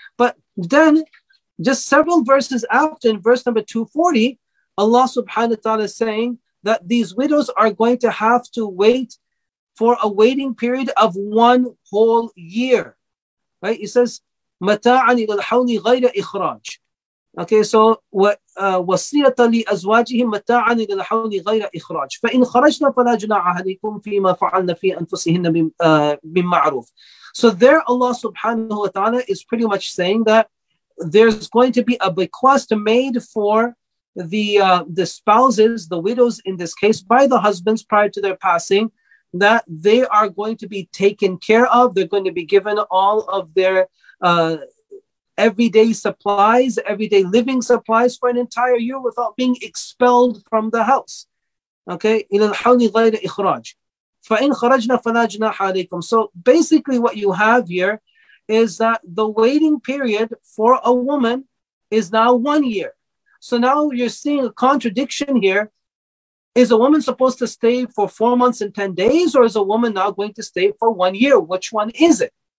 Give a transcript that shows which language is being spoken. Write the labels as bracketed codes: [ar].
[en] But then, just several verses after, in verse number 240, Allah subhanahu wa ta'ala is saying that these widows are going to have to wait for a waiting period of one whole year. Right? It says, [ar] مَتَاعًا إِلَى الْحَوْلِ غَيْرَ إِخْرَاجٍ. [en] Okay, so what [ar] وصية لأزواجهم متاعا إلى الحول غير إخراج، فإن خرجنا فلا جناح عليكم فيما فعلنا في أنفسهن من معروف. [en] So there Allah subhanahu wa ta'ala is pretty much saying that there's going to be a bequest made for the spouses, the widows in this case, by the husbands prior to their passing, that they are going to be taken care of. They're going to be given all of their everyday supplies, everyday living supplies for an entire year without being expelled from the house. [ar] Okay? إلى الحول غير إخراج. فإن خرجنا فلا جناح عليكم. [en] So basically what you have here is that the waiting period for a woman is now 1 year. So now you're seeing a contradiction here. Is a woman supposed to stay for 4 months and 10 days, or is a woman now going to stay for 1 year? Which one is it?